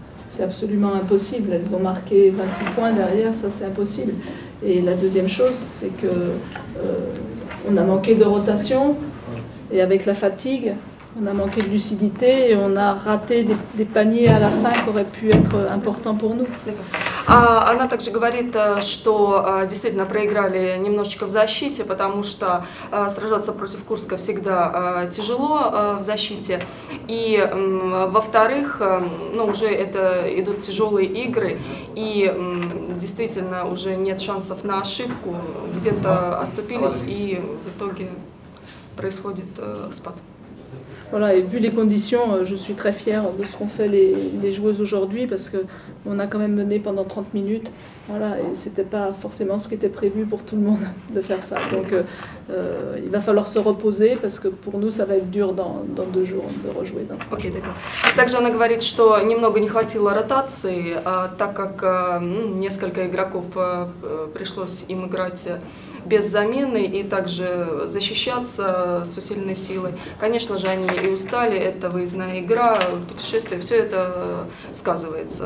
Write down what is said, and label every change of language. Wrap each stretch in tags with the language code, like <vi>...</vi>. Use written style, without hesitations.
<fr>c'est absolument impossible. Elles ont marqué 28 points derrière, ça c'est impossible. Et la deuxième chose, c'est que on a manqué de rotation et avec la fatigue, on a manqué de lucidité et on a raté des paniers à la fin qui auraient pu être importants pour nous.</fr> <ru>Она также говорит, что действительно проиграли немножечко в защите, потому что сражаться против Курска всегда тяжело в защите. И во-вторых, ну, уже это идут тяжелые игры, и действительно уже нет шансов на ошибку, где-то оступились, и в итоге происходит спад.</ru> <fr>Voilà, et vu les conditions, je suis très fière de ce qu'ont fait les joueuses aujourd'hui, parce qu'on a quand même mené pendant 30 minutes, voilà, et ce n'était pas forcément ce qui était prévu pour tout le monde de faire ça. Donc il va falloir se reposer, parce que pour nous, ça va être dur dans deux jours de rejouer dans trois jours.</fr> <ru>Также она говорит, что немного не хватило ротации, так как несколько игроков пришлось им играть без замены и также защищаться с усиленной силой. Конечно же, они и устали, это выездная игра, путешествие, все это сказывается.</ru>